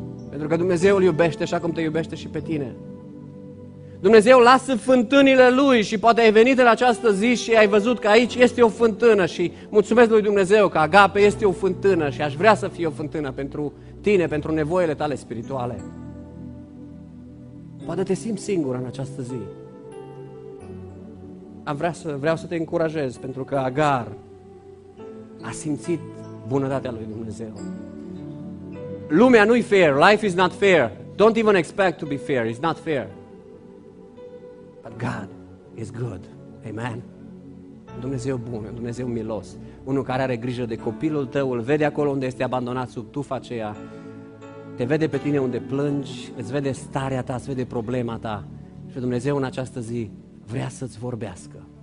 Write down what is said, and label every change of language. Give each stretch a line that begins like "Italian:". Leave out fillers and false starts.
Romanian: Pentru că Dumnezeu îl iubește așa cum te iubește și pe tine. Dumnezeu lasă fântânile lui și poate ai venit în această zi și ai văzut că aici este o fântână și mulțumesc lui Dumnezeu că Agape este o fântână și aș vrea să fie o fântână pentru tine, pentru nevoile tale spirituale. Poate te simți singur în această zi. Vreau să te încurajez pentru că Agar a simțit bunătatea lui Dumnezeu. Lumea nu-i fair,
English: life is not fair. Don't even expect to be fair, it's not fair. But God is good. Amen.
Romanian: Dumnezeu bun, Dumnezeu milos, unul care are grijă de copilul tău, îl vede acolo unde este abandonat sub tufa aceea, te vede pe tine unde plângi, îți vede starea ta, îți vede problema ta și Dumnezeu în această zi vrea să-ți vorbească.